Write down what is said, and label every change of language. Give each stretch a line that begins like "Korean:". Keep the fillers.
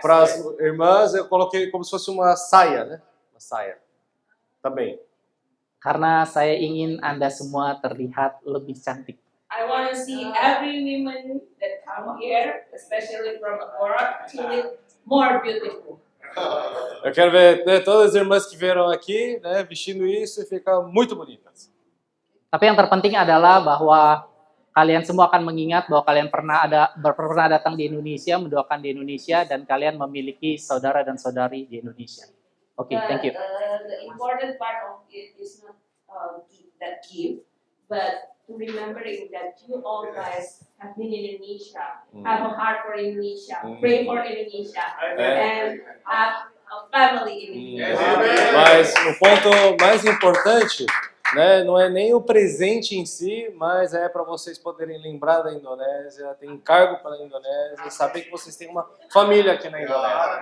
Portuguese: para as irmãs, eu coloquei como se fosse uma saia, né? Uma saia. Também.
Indonesian: Karena saya ingin Anda semua terlihat lebih cantik.
English: I want to see every woman that come here, especially from Agora, to more beautiful.
Portuguese: eu quero ver né, todas as irmãs que vieram aqui, né, vestindo isso e ficar muito bonitas.
Indonesian: Tapi yang terpenting adalah bahwa kalian semua akan mengingat bahwa kalian pernah ada pernah datang di Indonesia, mendoakan di Indonesia, dan kalian memiliki saudara dan saudari di Indonesia.
English: Oke, okay, thank you. But, uh, the important part of it is not uh, um, that give, but remembering that you all guys have been in Indonesia, mm. have a heart for Indonesia, mm. pray for Indonesia, and have a family in Indonesia.
Portuguese: Mm. Yes. Mas, o ponto mais importante Né? Não é nem o presente em si, mas é para vocês poderem lembrar da Indonésia, ter encargo para a Indonésia, saber que vocês têm uma família aqui na Indonésia.